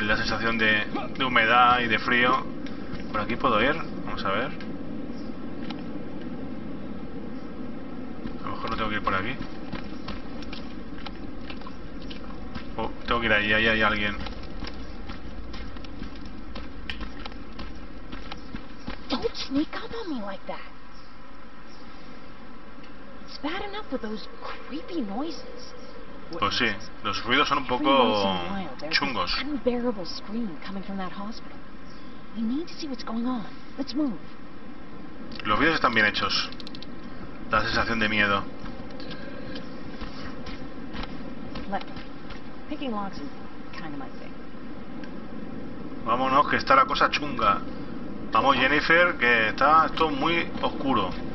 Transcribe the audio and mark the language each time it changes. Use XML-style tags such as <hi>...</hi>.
<es>La sensación de humedad y de frío. ¿Por aquí puedo ir? Vamos a ver. A lo mejor no tengo que ir por aquí. Tengo que ir ahí, ahí hay alguien.</es> <en>Don't sneak up on me like that. It's bad enough with those creepy noises.</en> <es>Pues sí, los ruidos son un poco chungos.</es> <en>Unbearable scream coming from that hospital. We need to see what's going on. Let's move.</en> <es>Los ruidos están bien hechos. Da sensación de miedo.</es> <en>Let me. Picking locks is kind of my thing.</en> <es>Vámonos, que está la cosa chunga. Vamos, Jennifer, que está esto muy oscuro.</es>